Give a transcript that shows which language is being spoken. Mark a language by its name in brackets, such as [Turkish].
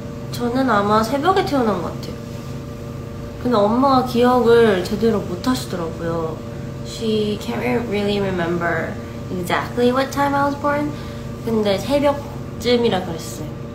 [Korean] 저는 아마 새벽에 태어난 것 같아요. 근데 엄마가 기억을 제대로 못 하시더라고요. [English] She can't really remember exactly what time I was born. [Korean] 근데 새벽쯤이라 그랬어요.